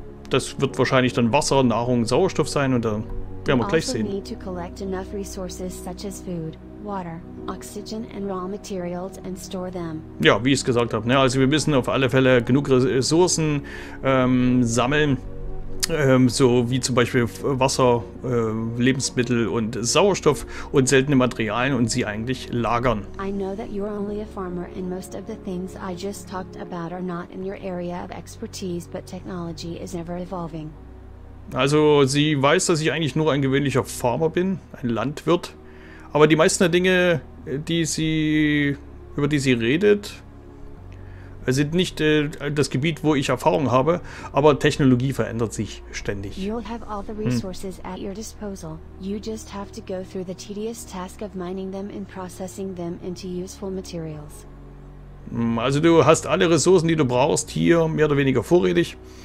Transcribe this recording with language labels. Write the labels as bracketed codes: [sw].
[de] Das wird wahrscheinlich dann Wasser, Nahrung, Sauerstoff sein und dann werden wir gleich sehen. [en] Also need to collect enough resources such as food, water, oxygen and raw materials and store them. [de] Ja, wie ich es gesagt habe, ne? Also wir müssen auf alle Fälle genug Ressourcen sammeln, so wie zum Beispiel Wasser, Lebensmittel und Sauerstoff und seltene Materialien und sie eigentlich lagern. [en] I know that you're only a farmer and most of the things I just talked about are not in your area of expertise, but technology is never evolving. [de] Also sie weiß, dass ich eigentlich nur ein gewöhnlicher Farmer bin, ein Landwirt. Aber die meisten der Dinge, über die sie redet, sind nicht das Gebiet, wo ich Erfahrung habe, aber Technologie verändert sich ständig. [en] You'll have all the resources at your disposal. You just have to go through the tedious task of mining them and processing them into useful materials. [de] Also du hast alle Ressourcen, die du brauchst, hier mehr oder weniger vorrätig.